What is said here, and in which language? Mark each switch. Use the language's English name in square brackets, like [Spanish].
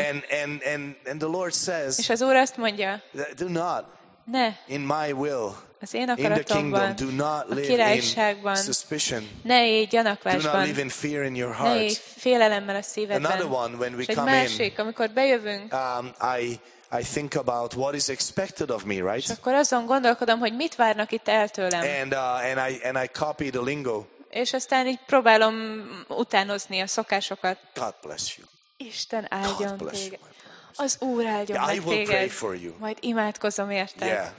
[English] And the Lord says, [Hungarian] és az Úr azt mondja, [English] do not. [Hungarian] Ne. [English] In my will. [Hungarian] Az én akaratomban, a királyságban, ne élj gyanakvásban, ne élj félelemmel a szívedben. És egy másik, amikor bejövünk, [English] I think about what is expected of me, right? [Hungarian] És akkor azon gondolkodom, hogy mit várnak itt el tőlem. [English] And I copy the lingo. [Hungarian] És aztán így próbálom utánozni a szokásokat. [English] God bless you. [Hungarian] Isten áldjon téged. Az Úr áldjon [English] yeah, [Hungarian] meg téged. Majd imádkozom érted.